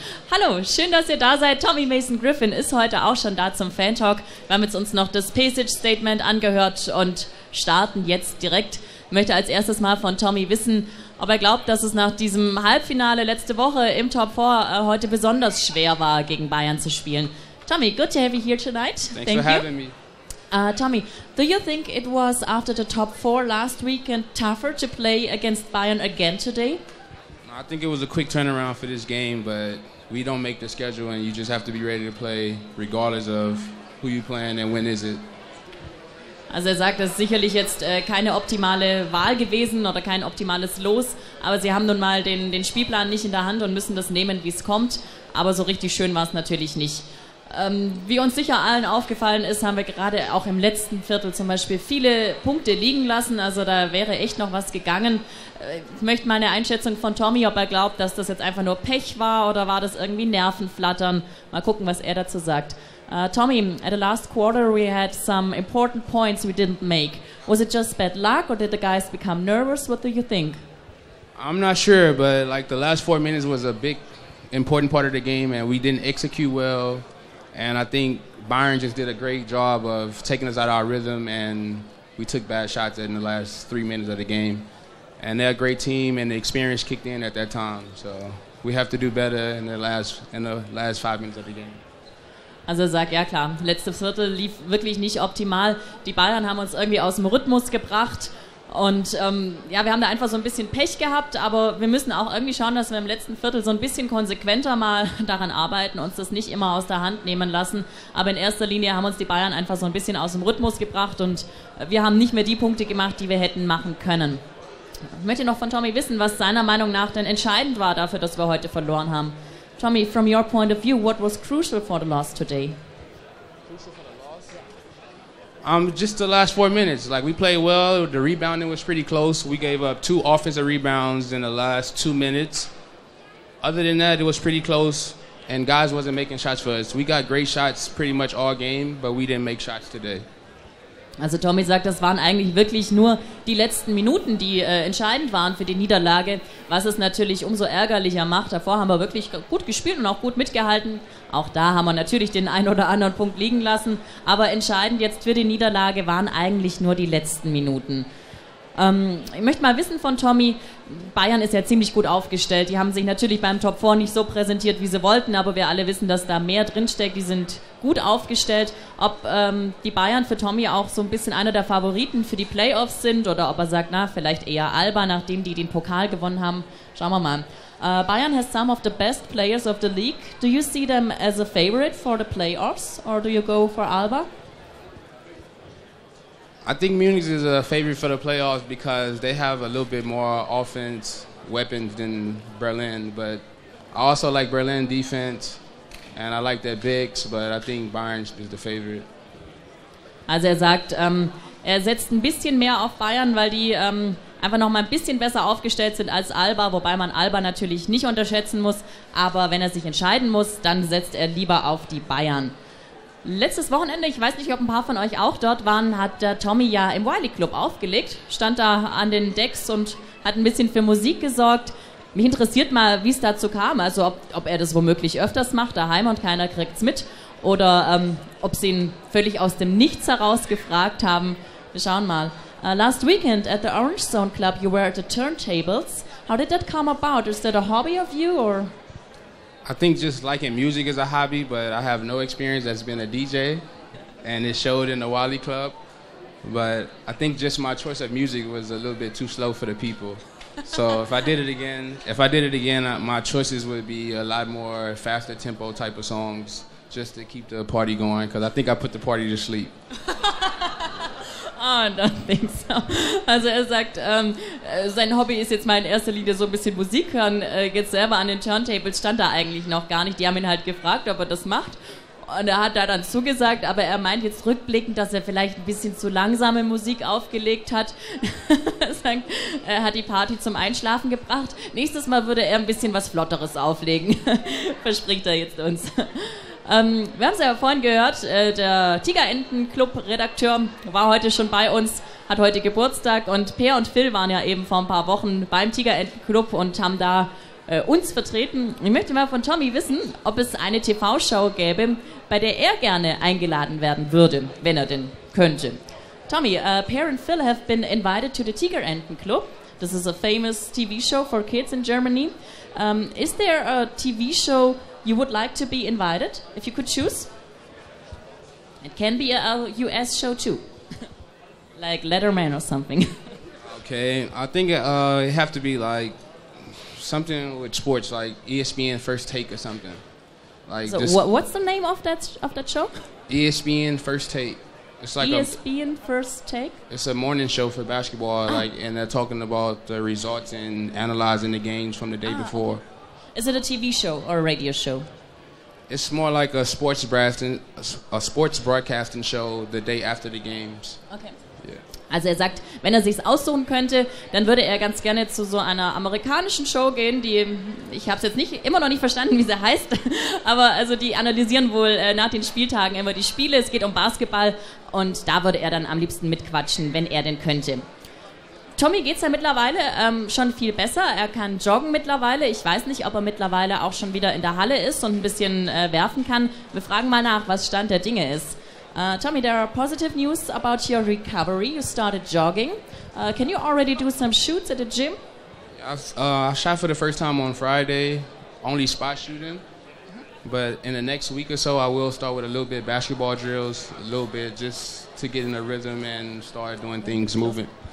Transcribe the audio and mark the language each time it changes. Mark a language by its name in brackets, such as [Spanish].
[German] Hallo, schön, dass ihr da seid. Tommy Mason-Griffin ist heute auch schon da zum Fan-Talk. Wir haben jetzt uns noch das Passage-Statement angehört und starten jetzt direkt. Ich möchte als erstes mal von Tommy wissen, ob er glaubt, dass es nach diesem Halbfinale letzte Woche im Top 4 heute besonders schwer war, gegen Bayern zu spielen. [English] Tommy, good to have you here tonight. Thanks for having me. Tommy, do you think it was after the Top 4 last weekend tougher to play against Bayern again today? I think it was a quick turnaround for this game, but we don't make the schedule and you just have to be ready to play regardless of who you're playing and when is it. [German] Also er sagt, das ist sicherlich jetzt keine optimale Wahl gewesen oder kein optimales Los, aber sie haben nun mal den Spielplan nicht in der Hand und müssen das nehmen, wie es kommt, aber so richtig schön war es natürlich nicht. Wie uns sicher allen aufgefallen ist, haben wir gerade auch im letzten Viertel zum Beispiel viele Punkte liegen lassen, also da wäre echt noch was gegangen. Ich möchte mal eine Einschätzung von Tommy, ob er glaubt, dass das jetzt einfach nur Pech war oder war das irgendwie Nervenflattern. Mal gucken, was er dazu sagt. [English] Tommy, at the last quarter we had some important points we didn't make. Was it just bad luck or did the guys become nervous? What do you think? I'm not sure, but like the last 4 minutes was a big important part of the game and we didn't execute well. And I think Bayern just did a great job of taking us out of our rhythm and we took bad shots in the last 3 minutes of the game. And they're a great team and the experience kicked in at that time. So we have to do better in the last 5 minutes of the game. [German] Also sag ja klar, letztes Viertel lief wirklich nicht optimal. Die Bayern haben uns irgendwie aus dem Rhythmus gebracht. Und ja, wir haben da einfach so ein bisschen Pech gehabt, aber wir müssen auch irgendwie schauen, dass wir im letzten Viertel so ein bisschen konsequenter mal daran arbeiten, uns das nicht immer aus der Hand nehmen lassen. Aber in erster Linie haben uns die Bayern einfach so ein bisschen aus dem Rhythmus gebracht und wir haben nicht mehr die Punkte gemacht, die wir hätten machen können. Ich möchte noch von Tommy wissen, was seiner Meinung nach denn entscheidend war dafür, dass wir heute verloren haben. [English] Tommy, from your point of view, what was crucial for the loss today? Just the last 4 minutes. Like, we played well. The rebounding was pretty close. We gave up 2 offensive rebounds in the last 2 minutes. Other than that, it was pretty close, and guys wasn't making shots for us. We got great shots pretty much all game, but we didn't make shots today. [German] Also Tommy sagt, das waren eigentlich wirklich nur die letzten Minuten, die entscheidend waren für die Niederlage, was es natürlich umso ärgerlicher macht. Davor haben wir wirklich gut gespielt und auch gut mitgehalten. Auch da haben wir natürlich den einen oder anderen Punkt liegen lassen. Aber entscheidend jetzt für die Niederlage waren eigentlich nur die letzten Minuten. Ich möchte mal wissen von Tommy, Bayern ist ja ziemlich gut aufgestellt. Die haben sich natürlich beim Top 4 nicht so präsentiert, wie sie wollten, aber wir alle wissen, dass da mehr drinsteckt. Die sind gut aufgestellt. Ob die Bayern für Tommy auch so ein bisschen einer der Favoriten für die Playoffs sind oder ob er sagt, na, vielleicht eher Alba, nachdem die den Pokal gewonnen haben. Schauen wir mal. [English] Bayern has some of the best players of the league. Do you see them as a favorite for the playoffs or do you go for Alba? I think Munich is a favorite for the playoffs because they have a little bit more offense weapons than Berlin. But I also like Berlin defense and I like their bigs, but I think Bayern is the favorite. [German] Also er sagt, er setzt ein bisschen mehr auf Bayern, weil die einfach noch mal ein bisschen besser aufgestellt sind als Alba, wobei man Alba natürlich nicht unterschätzen muss. Aber wenn er sich entscheiden muss, dann setzt er lieber auf die Bayern. Letztes Wochenende, ich weiß nicht, ob ein paar von euch auch dort waren, hat der Tommy ja im Wiley-Club aufgelegt, stand da an den Decks und hat ein bisschen für Musik gesorgt. Mich interessiert mal, wie es dazu kam, also ob er das womöglich öfters macht daheim und keiner kriegt's mit oder ob sie ihn völlig aus dem Nichts heraus gefragt haben. Wir schauen mal. [English] Last weekend at the Orange Zone Club you were at the turntables. How did that come about? Is that a hobby of you or... I think just liking music is a hobby, but I have no experience as being a DJ, and it showed in the Wally Club. But I think just my choice of music was a little bit too slow for the people. So if I did it again, my choices would be a lot more faster tempo type of songs, just to keep the party going, because I think I put the party to sleep. Oh, I don't think so. [German] Also er sagt, sein Hobby ist jetzt mal in erster Linie so ein bisschen Musik hören. Jetzt selber an den Turntables stand er eigentlich noch gar nicht. Die haben ihn halt gefragt, ob er das macht. Und er hat da dann zugesagt, aber er meint jetzt rückblickend, dass er vielleicht ein bisschen zu langsame Musik aufgelegt hat. Er sagt, er hat die Party zum Einschlafen gebracht. Nächstes Mal würde er ein bisschen was Flotteres auflegen, verspricht er jetzt uns. Wir haben es ja vorhin gehört, der Tigerenten-Club-Redakteur war heute schon bei uns, hat heute Geburtstag und Peer und Phil waren ja eben vor ein paar Wochen beim Tigerenten-Club und haben da uns vertreten. Ich möchte mal von Tommy wissen, ob es eine TV-Show gäbe, bei der er gerne eingeladen werden würde, wenn er denn könnte. [English] Tommy, Peer and Phil have been invited to the Tigerenten-Club. This is a famous TV show for kids in Germany. Is there a TV show you would like to be invited, if you could choose? It can be a US show too. Like Letterman or something. Okay, I think it have to be like something with sports, like ESPN First Take or something. Like, so what's the name of that show? ESPN First Take. It's like ESPN First Take? It's a morning show for basketball, like, and they're talking about the results and analyzing the games from the day before. Okay. Is it a TV show or a radio show? It's more like a sports broadcasting show the day after the games. Okay. Yeah. [German] Also er sagt, wenn er sich's aussuchen könnte, dann würde er ganz gerne zu so einer amerikanischen Show gehen, die, ich habe es jetzt nicht, immer noch nicht verstanden, wie sie heißt, aber also die analysieren wohl nach den Spieltagen immer die Spiele, es geht um Basketball und da würde er dann am liebsten mitquatschen, wenn er denn könnte. Tommy geht's ja mittlerweile schon viel besser, er kann joggen mittlerweile, ich weiß nicht, ob er mittlerweile auch schon wieder in der Halle ist und ein bisschen werfen kann. Wir fragen mal nach, was Stand der Dinge ist. [English] Tommy, there are positive news about your recovery. You started jogging. Can you already do some shoots at the gym? I shot for the first time on Friday, only spot shooting. But in the next week or so, I will start with a little bit of basketball drills, a little bit just to get in the rhythm and start doing things moving.